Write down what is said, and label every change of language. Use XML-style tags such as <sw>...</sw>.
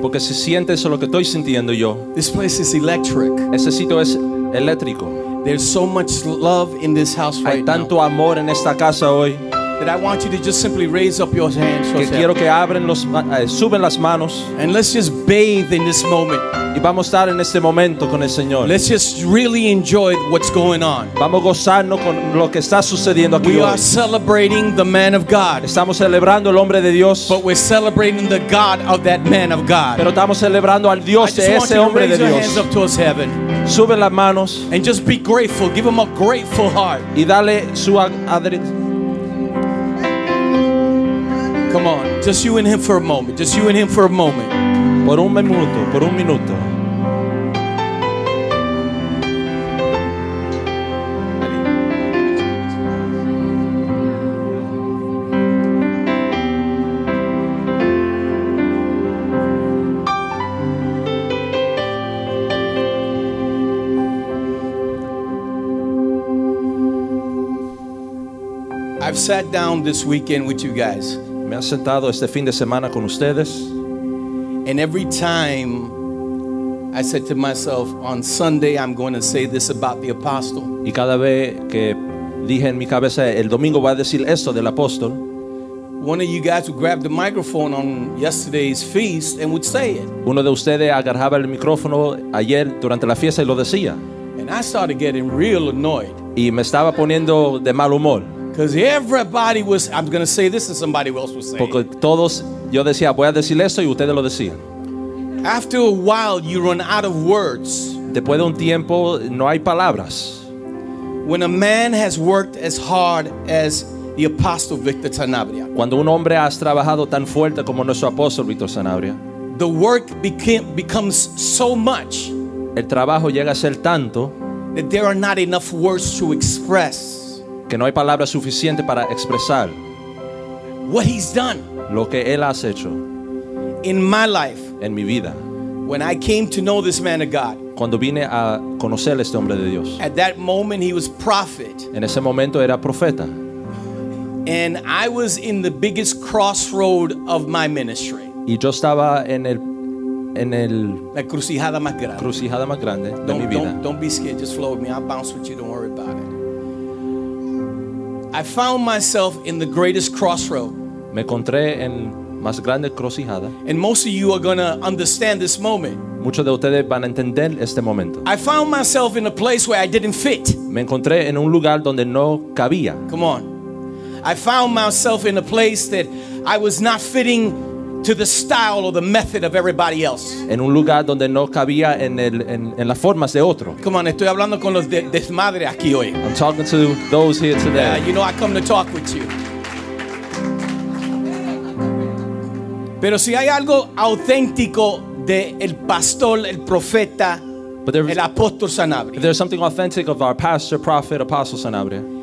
<es>porque si sientes lo que estoy sintiendo yo,</es> <en>this place is electric.</en> <es>Ese sitio es eléctrico.</es> <en>There's so much love in this house right now.</en> <es>Hay tanto amor en esta casa hoy.</es> <en>That I want you to just simply raise up your hands.</en> <es>Que quiero que abren los, suben las manos.</es> <en>And let's just bathe in this moment.</en> <es>Y vamos a estar en este momento con el Señor.</es> <en>Let's just really enjoy what's going on.</en> <es>Vamos a gozarnos con lo que está sucediendo aquí hoy.</es> <en>We are celebrating the man of God.</en> <es>Estamos celebrando el hombre de Dios.</es> <en>But we're celebrating the God of that man of God.</en> <es>Pero estamos celebrando al Dios de ese hombre de Dios.</es> <en>I just want you to raise your hands up towards heaven.</en> <es>Sube las manos.</es> <en>And just be grateful. Give him a grateful heart.</en> <es>Y dale su adoración.</es> <en>Come on, just you and him for a moment. Just you and him for a moment.</en> <es>Por un minuto, por un minuto.</es> <en>I've sat down this weekend with you guys.</en> <es>Me he sentado este fin de semana con ustedes.</es> <en>And every time I said to myself, on Sunday I'm going to say this about the apostle.</en> <es>Y cada vez que dije en mi cabeza, el domingo voy a decir esto del apóstol.</es> <en>One of you guys would grab the microphone on yesterday's feast and would say it.</en> <es>Uno de ustedes agarraba el micrófono ayer durante la fiesta y lo decía.</es> <en>And I started getting real annoyed.</en> <es>Y me estaba poniendo de mal humor.</es> <en>Because everybody was, I'm going to say this and somebody else was saying.</en> <es>Porque todos, yo decía, voy a decir esto y ustedes lo decían.</es> <en>After a while, you run out of words.</en> <es>Después de un tiempo, no hay palabras.</es> <en>When a man has worked as hard as the apostle Victor Sanabria.</en> <es>Cuando un hombre ha trabajado tan fuerte como nuestro apóstol Victor Sanabria.</es> <en>The work becomes so much.</en> <es>El trabajo llega a ser tanto.</es> <en>That there are not enough words to express.</en> <es>Que no hay palabras suficientes para expresar</es> <en>what he's done.</en> <es>Lo que él ha hecho</es> <en>in my life,</en> <es>en mi vida,</es> <en>when I came to know this man of God,</en> <es>cuando vine a conocer a este hombre de Dios.</es> <en>At that moment he was prophet,</en> <es>en ese momento era profeta,</es> <en>and I was in the biggest crossroad of my ministry.</en> <es>Y yo estaba en el la crucijada más grande de mi vida.</es> <en>Don't be scared, just flow with me, I'll bounce with you, don't worry about it. I found myself in the greatest crossroad.</en> <es>Me encontré en más grande crucijada.</es> <en>And most of you are going to understand this moment.</en> <es>Muchos de ustedes van a entender este momento.</es> <en>I found myself in a place where I didn't fit.</en> <es>Me encontré en un lugar donde no cabía.</es> <en>Come on. I found myself in a place that I was not fitting to the style or the method of everybody else.</en> <es>En un lugar donde no cabía en las formas de otro.</es> <en>Come on,</en> <es>estoy hablando con los desmadres aquí hoy.</es> <en>I'm talking to those here today. Yeah, you know I come to talk with you.</en> <es>Pero si hay algo auténtico de el pastor, el profeta, el apóstol Sanabria.</es> <en>If there's something authentic of our pastor, prophet, apostle Sanabria.</en>